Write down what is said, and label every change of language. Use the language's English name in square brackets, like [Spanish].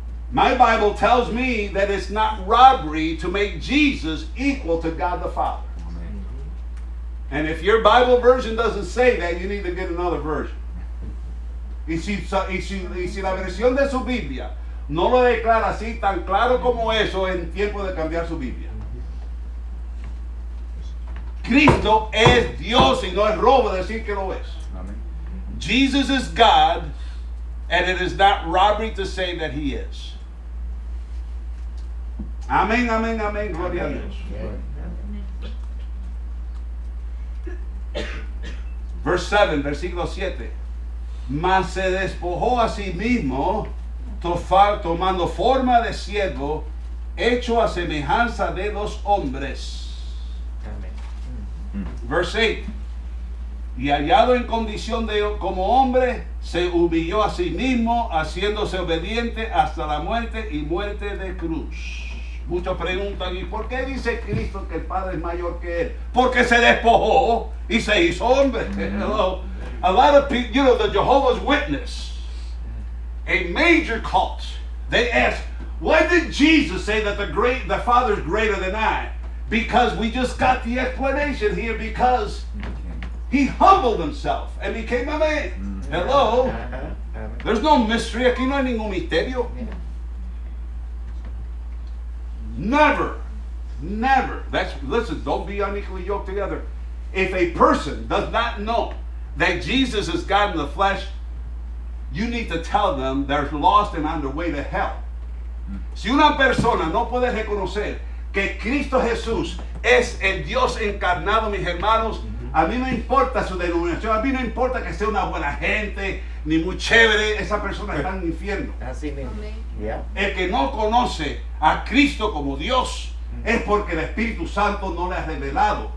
[English] My Bible tells me that it's not robbery to make Jesus equal to God the Father. Amen. And if your Bible version doesn't say that, you need to get another version. [Spanish] Y si la versión de su Biblia no lo declara así tan claro como eso, en tiempo de cambiar su Biblia. Cristo es Dios y no es robo decir que lo es. [English] Amen. Jesus is God and it is not robbery to say that he is. [Spanish] Amén, amén, amén. Gloria [English] amen. [Spanish] A Dios. [English] Amen. Verse 7, [Spanish] versículo 7. Mas se despojó a sí mismo tomando forma de siervo hecho a semejanza de los hombres. [English] Verse 8. [Spanish] Y hallado en condición de como hombre, se humilló a sí mismo, haciéndose obediente hasta la muerte y muerte de cruz. Muchos preguntan, ¿y por qué dice Cristo que el Padre es mayor que él? Porque se despojó y se hizo hombre. [English] A lot of people, you know, the Jehovah's Witness, a major cult, they ask, why did Jesus say that the Father is greater than I? Because we just got the explanation here, because he humbled himself and became a man. Hello? There's no mystery. [Spanish] Aquí no hay ningún misterio. [English] Never, never. Listen, don't be unequally yoked together. If a person does not know that Jesus is God in the flesh, you need to tell them they're lost and on their way to hell. [Spanish] Si una persona no puede reconocer que Cristo Jesús es el Dios encarnado, mis hermanos, a mí no importa su denominación, a mí no importa que sea una buena gente ni muy chévere, esa persona está en el infierno. Así mismo. El que no conoce a Cristo como Dios es porque el Espíritu Santo no le ha revelado.